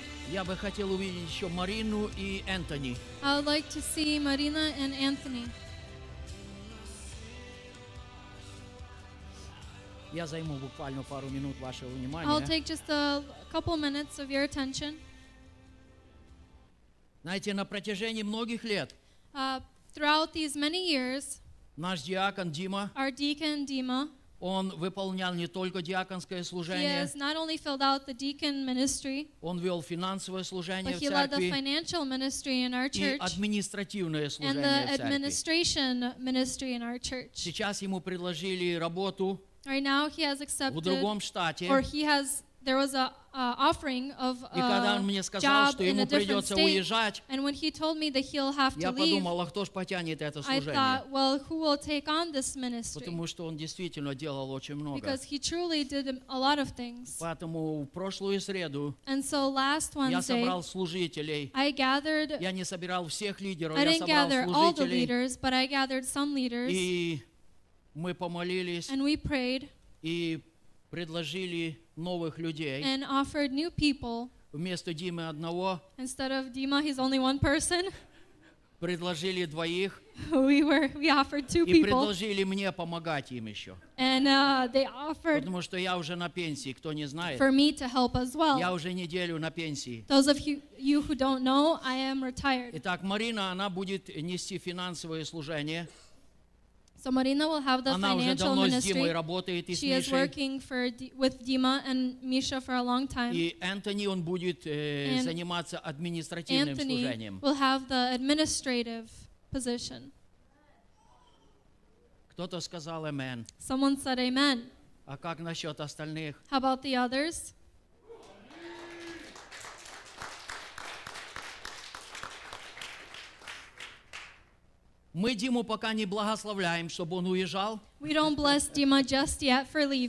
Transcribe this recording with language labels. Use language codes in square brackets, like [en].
[ru] Я бы хотел увидеть еще Марину и Энтони. [en] I would like to see Marina and Anthony. [ru] Я займу буквально пару минут вашего внимания. [en] I'll take just a couple minutes of your attention. [ru] Знаете, на протяжении многих лет [en] throughout these many years, [ru] наш диакон Дима, [en] our deacon Dima, [ru] он выполнял не только диаконское служение, [en] he has not only filled out the deacon ministry, [ru] он вел финансовое служение в церкви, [en] but he led the financial ministry in our church, [ru] и административное служение [en] and the administration ministry in our church. [ru] Сейчас ему предложили работу [en] right now he has accepted, [ru] в другом штате, [en] or he has, there was a offering of a job in a different state. [ru] И когда он мне сказал, что ему придется уезжать, [en] and when he told me that he'll have to leave, [ru] я подумал, а кто ж потянет это служение? [en] I thought, well, who will take on this ministry? [ru] Потому что он действительно делал очень много. [en] Because he truly did a lot of things. [ru] Поэтому в прошлую среду, [en] and so last Wednesday, [ru] я собрал служителей. [en] I gathered, [ru] я не собирал всех лидеров, [en] I didn't gather all the leaders, but I gathered some leaders. [ru] И мы помолились. [en] And we prayed. [ru] И предложили новых людей. [en] And offered new people. [ru] Вместо Димы одного. [en] Instead of Dima, he's only one person. [ru] Предложили двоих. [en] We offered two people. [ru] И предложили мне помогать им еще. [en] And they offered. [ru] Потому что я уже на пенсии, кто не знает. [en] For me to help as well. [ru] Я уже неделю на пенсии. [en] Those of you who don't know, I am retired. [ru] Итак, Марина, она будет нести финансовое служение. [en] So Marina will have the [ru] она [en] financial ministry. [ru] Работает, [en] she is working with Dima and Misha for a long time. [ru] И Anthony, он будет заниматься административным [en] Anthony [ru] служением. [en] Will have the administrative position. [ru] Кто-то сказал amen. [en] Someone said amen. [ru] А как насчет остальных? [en] How about the others? [ru] Мы Диму пока не благословляем, чтобы он уезжал. [en] We don't bless Dima just yet for leaving.